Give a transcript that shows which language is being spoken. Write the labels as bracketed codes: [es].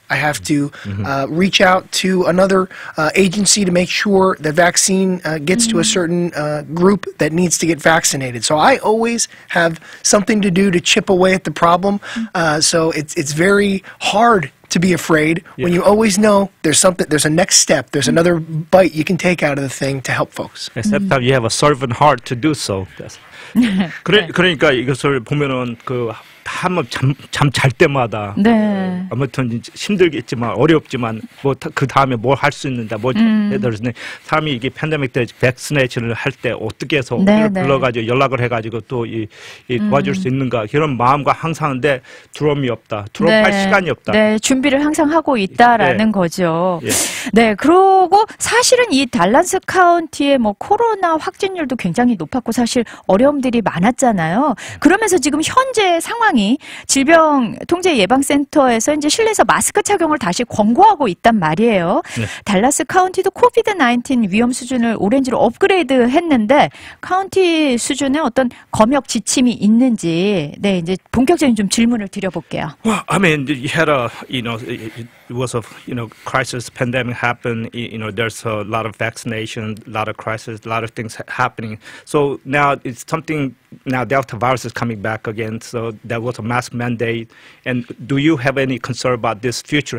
[en] I have to reach out to another agency to make sure the vaccine gets to a certain group that needs to get vaccinated. So I always have something to do to chip away at the problem. So it's very hard to be afraid yeah. when you always know there's something, there's a next step, there's another bite you can take out of the thing to help folks. Except that you have a servant heart to do so. Yes. [ko] 그러니까 이것을 보면은 그 한번 잠 잘 때마다 네. 아무튼 힘들겠지만 어렵지만 뭐 그 다음에 뭘 할 수 있는다 뭐 해들었 사람이 이게 팬데믹 때 백스네이션을 할 때 어떻게 해서 네, 네. 불러가지고 연락을 해가지고 또 이 도와줄 수 있는가 이런 마음과 항상인데 두려움이 없다 두려워할 네. 시간이 없다 네 준비를 항상 하고 있다라는 예. 거죠 예. 네 그러고 사실은 이 달라스 카운티의 뭐 코로나 확진율도 굉장히 높았고 사실 어려움들이 많았잖아요 그러면서 지금 현재 상황 질병통제예방센터에서 이제 실내에서 마스크 착용을 다시 권고하고 있단 말이에요. 네. 달라스 카운티도 COVID-19 위험 수준을 오렌지로 업그레이드 했는데 카운티 수준에 어떤 검역 지침이 있는지 네, 이제 본격적인 좀 질문을 드려볼게요. [en] Well, I mean, you had a, you know, it was a, you know, crisis pandemic happened. You know, there's a lot of vaccination, a lot of crisis, a lot of things happening. So now it's something, now Delta virus is coming back again. So there was a mask mandate. And do you have any concern about this future?